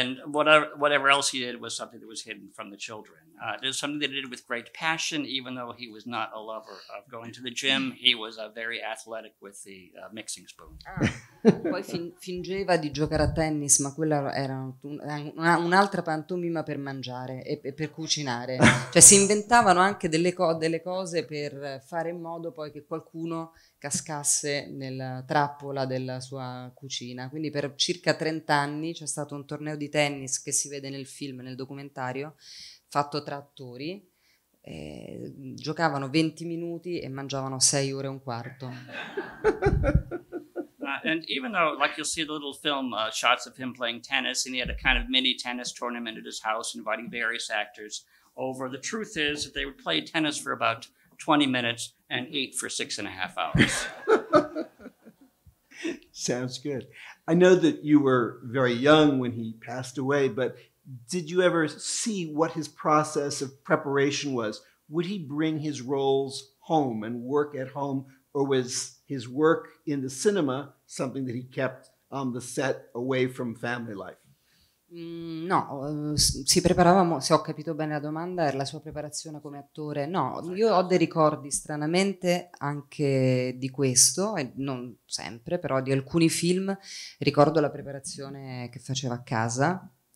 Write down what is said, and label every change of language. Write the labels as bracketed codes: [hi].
[en] Whatever else he did was something that was hidden from the children. It was something that he did with great passion, even though he was not a lover of going to the gym. He was very athletic with the mixing spoon. [it] Poi fingeva di giocare a tennis, ma quella era un'altra pantomima per mangiare e per cucinare. Cioè si inventavano anche delle cose per fare in modo poi che qualcuno cascasse nella trappola della sua cucina. Quindi per circa 30 anni c'è stato un torneo di tennis che si vede nel film, nel documentario, fatto tra attori. Giocavano 20 minuti e mangiavano 6 ore e un quarto. [en] And even though, like you'll see the little film shots of him playing tennis, and he had a kind of mini tennis tournament at his house inviting various actors over, the truth is that they would play tennis for about 20 minutes and eat for 6.5 hours. Sounds good. I know that you were very young when he passed away, but did you ever see what his process of preparation was? Would he bring his roles home and work at home, or was his work in the cinema something that he kept on the set away from family life? [it] No, si preparava, se ho capito bene la domanda, era la sua preparazione come attore. No, io ho dei ricordi stranamente anche di questo, e non sempre, però di alcuni film ricordo la preparazione che faceva a casa.